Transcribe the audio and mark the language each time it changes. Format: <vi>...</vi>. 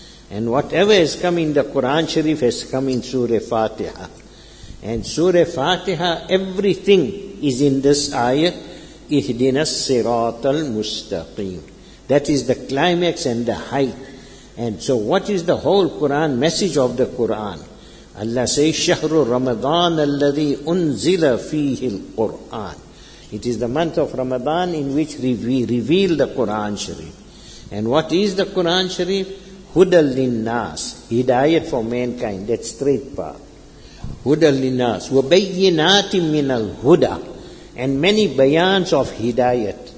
<en>And whatever has come in the Quran Sharif has come in Surah Fatiha. And Surah Fatiha, everything is in this ayah,</en> <ar>اِهْدِنَا الصِّرَاطَ الْمُسْتَقِيمِ.</ar> <en>That is the climax and the height. And so what is the whole Quran, message of the Quran? Allah says,</en> <ar>شهر رمضان الذي أنزل فيه القرآن.</ar> <en>It is the month of Ramadan in which we reveal the Quran Sharif. And what is the Quran Sharif?</en> <ar>Hudal linnas.</ar> <en>Hidayat for mankind. That straight path. Hudal linnas.</en> <ar>وَبَيِّنَاتٍ مِّنَ الْهُدَى.</ar> <en>And many bayans of hidayat.</en>